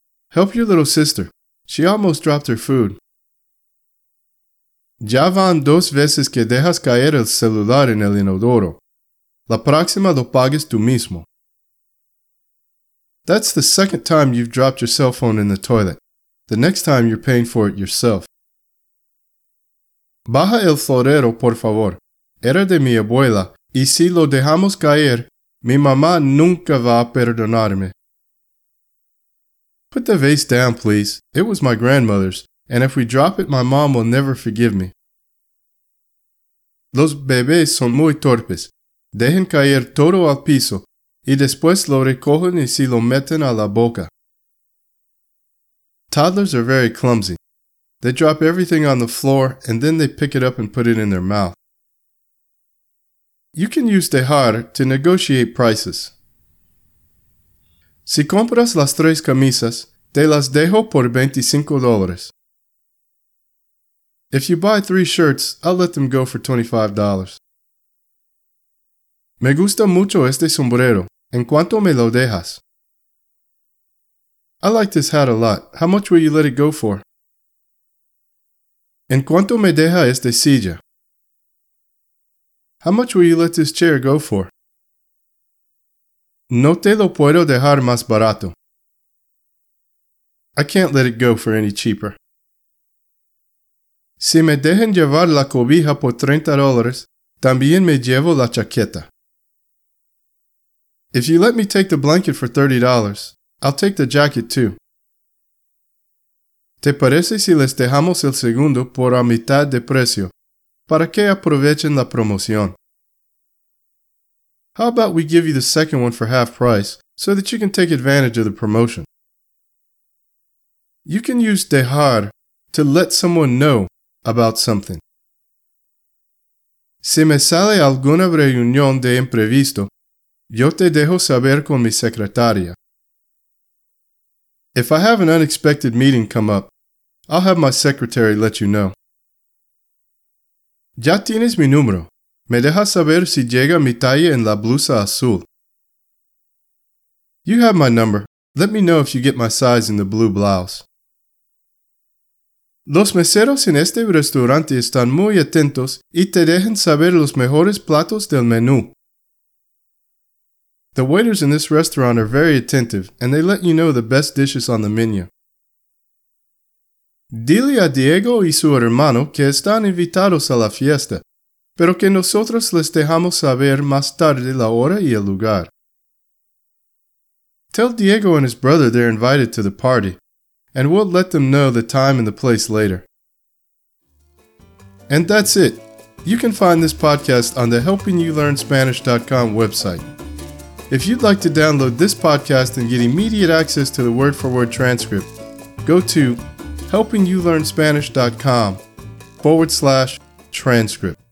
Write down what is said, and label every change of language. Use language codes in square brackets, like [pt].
[en] Help your little sister, she almost dropped her food. [es] Ya van dos veces que dejas caer el celular en el inodoro. La próxima lo pagues tú mismo. [en] That's the second time you've dropped your cell phone in the toilet. The next time you're paying for it yourself. [es] Baja el florero, por favor. Era de mi abuela, y si lo dejamos caer, mi mamá nunca va a perdonarme. [en] Put the vase down, please. It was my grandmother's. And if we drop it, my mom will never forgive me. [es] Los bebés son muy torpes. Dejen caer todo al piso y después lo recogen y se lo meten a la boca. [en] Toddlers are very clumsy. They drop everything on the floor and then they pick it up and put it in their mouth. You can use dejar to negotiate prices. [es] Si compras las tres camisas, te las dejo por $25. [en] If you buy three shirts, I'll let them go for $25. [es] Me gusta mucho este sombrero. ¿En cuánto me lo dejas? [en] I like this hat a lot. How much will you let it go for? [es] ¿En cuánto me deja esta silla? [en] How much will you let this chair go for? [es] No te lo puedo dejar más barato. [en] I can't let it go for any cheaper. [es] Si me dejan llevar la cobija por $30, también me llevo la chaqueta. [en] If you let me take the blanket for $30, I'll take the jacket too. [es] ¿Te parece si les dejamos el segundo por la mitad de precio, para que aprovechen la promoción? [en] How about we give you the second one for half price, so that you can take advantage of the promotion? You can use dejar to let someone know about something. [es] Si me sale alguna reunión de imprevisto, yo te dejo saber con mi secretaria. [en] If I have an unexpected meeting come up, I'll have my secretary let you know. [es] Ya tienes mi número. Me dejas saber si llega mi talla en la blusa azul. [en] You have my number. Let me know if you get my size in the blue blouse. [es] Los meseros en este restaurante están muy atentos y te dejan saber los mejores platos del menú. [en] The waiters in this restaurant are very attentive and they let you know the best dishes on the menu. [es] Dile a Diego y su hermano que están invitados a la fiesta, pero que nosotros les dejamos saber más tarde la hora y el lugar. [en] Tell Diego and his brother they're invited to the party, and we'll let them know the time and the place later. And that's it. You can find this podcast on the HelpingYouLearnSpanish.com website. If you'd like to download this podcast and get immediate access to the word-for-word transcript, go to HelpingYouLearnSpanish.com/transcript.